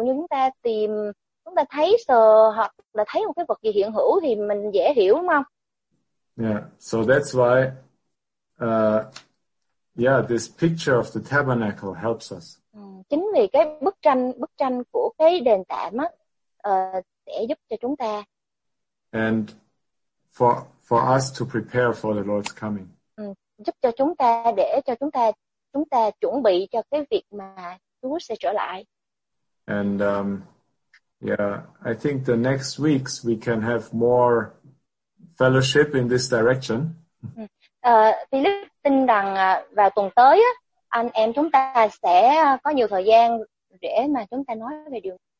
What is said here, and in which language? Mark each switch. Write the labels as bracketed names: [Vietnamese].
[Vietnamese] Ví dụ như chúng ta thấy hoặc là thấy một cái vật gì hiện hữu thì mình dễ hiểu, đúng không? [English] Yeah, so that's why this picture of the tabernacle helps us. [Vietnamese] Chính vì cái bức tranh của cái đền tạm á sẽ giúp cho chúng ta. [English] And for us to prepare for the Lord's coming. [Vietnamese] Giúp cho chúng ta để cho chúng ta chuẩn bị cho cái việc mà Chúa sẽ trở lại. [English] And I think the next weeks we can have more fellowship in this direction. [Vietnamese] Philip tin rằng vào tuần tới anh em chúng ta sẽ có nhiều thời gian để mà chúng ta nói về điều.